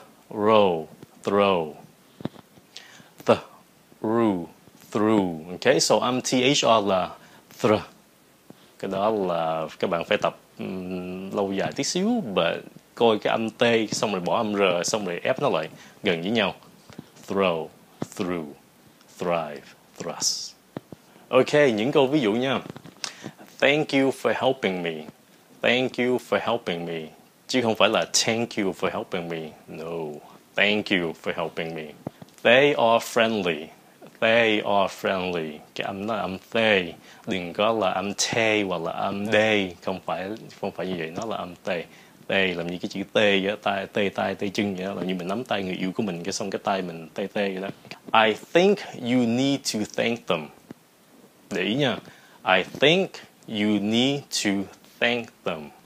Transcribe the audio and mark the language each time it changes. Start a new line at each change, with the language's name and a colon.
English: row, throw. Th, ru, through. Okay, so
Vietnamese: âm THR là th. Cái đó là các bạn phải tập lâu dài tí xíu và coi cái âm T xong rồi bỏ âm R xong rồi ép nó lại gần với nhau.
English: Throw, through, thrive, thrust. Okay,
Vietnamese: những câu ví dụ nha.
English: Thank you for helping me. Thank you for helping me.
Vietnamese: Chứ không phải là
English: thank you for helping me. No. Thank you for helping me. They are friendly. They are friendly.
Vietnamese: Cái âm đó là âm they. Đừng có là âm te hoặc là âm they. Không phải như vậy. Nó là âm they. They làm như cái chữ tê á. Tay chân vậy đó. Làm như mình nắm tay người yêu của mình. Cái xong cái tay mình tê tê vậy đó.
English: I think you need to thank them.
Vietnamese: Để ý nha.
English: I think you need to thank them.